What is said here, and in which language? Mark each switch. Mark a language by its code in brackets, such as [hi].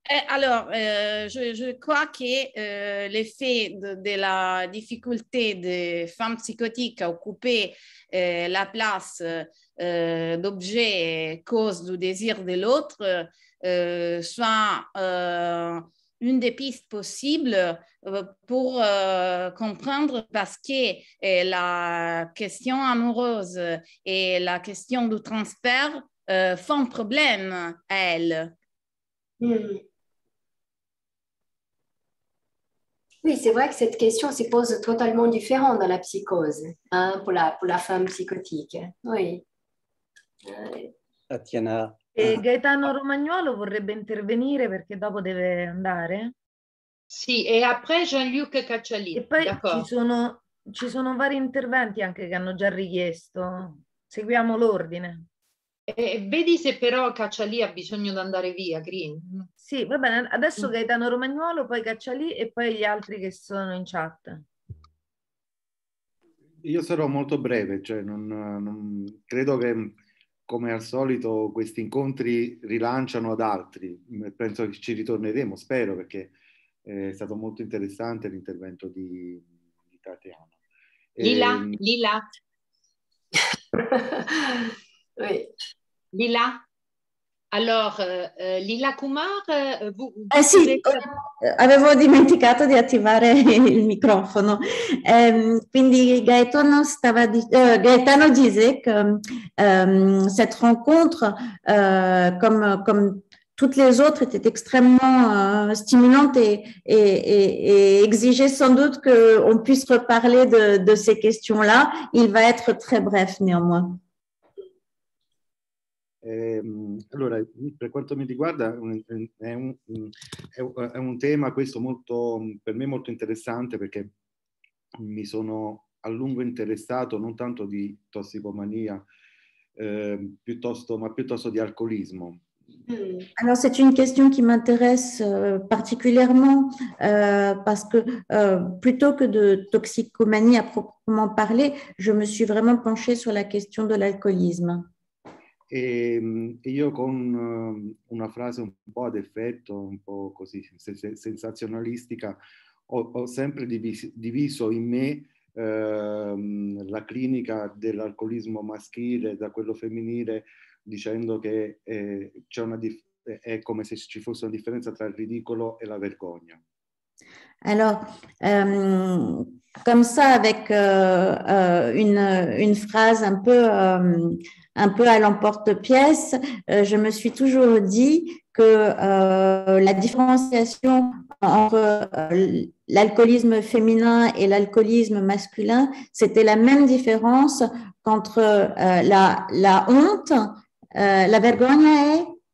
[fr] Alors, je crois que l'effet de la difficulté des femmes psychotiques à occuper la place d'objet cause du désir de l'autre soit une des pistes possibles pour comprendre parce que la question amoureuse et la question du transfert font problème à elle. Oui, c'est vrai que cette question se pose totalement différente dans la psychose, hein, pour la femme psychotique. Oui. Tatiana. [it] Et Gaetano Romagnolo vorrebbe intervenire perché dopo deve andare. Sì, e après Jean-Luc Caccialli. E poi ci sono vari interventi anche che hanno già richiesto. Seguiamo l'ordine. E vedi se però Caccialì ha bisogno di andare via, Green. Sì, va bene. Adesso Gaetano Romagnolo, poi Caccialì e poi gli altri che sono in chat. Io sarò molto breve, cioè non credo che, come al solito, questi incontri rilanciano ad altri. Penso che ci ritorneremo, spero, perché è stato molto interessante l'intervento di Tatiana. Lila. [fr] Oui. Lila. Alors, Lila Kumar, vous... [it] Sì, avevo dimenticato di attivare il microfono. Quindi Gaetano stava [fr] Gaetano disait que cette rencontre comme toutes les autres étaient extrêmement stimulantes et exigeaient sans doute qu'on puisse reparler de ces questions-là. Il va être très bref néanmoins. [it] Allora, per quanto mi riguarda, è un tema questo molto, per me molto interessante, perché mi sono a lungo interessato non tanto di tossicomania, piuttosto di alcolismo. [fr] Alors c'est une question qui m'intéresse particulièrement parce que plutôt que de toxicomanie à proprement parler, je me suis vraiment penchée sur la question de l'alcolisme. [it] E io con una frase un po' ad effetto, un po' così sensazionalistica, ho sempre diviso in me la clinica dell'alcolismo maschile da quello femminile, dicendo che è come se ci fosse una differenza tra il ridicolo e la vergogna. [fr] Alors, comme ça, avec une phrase un peu à l'emporte-pièce, je me suis toujours dit que la différenciation entre l'alcoolisme féminin et l'alcoolisme masculin, c'était la même différence qu'entre la honte, la vergogna et...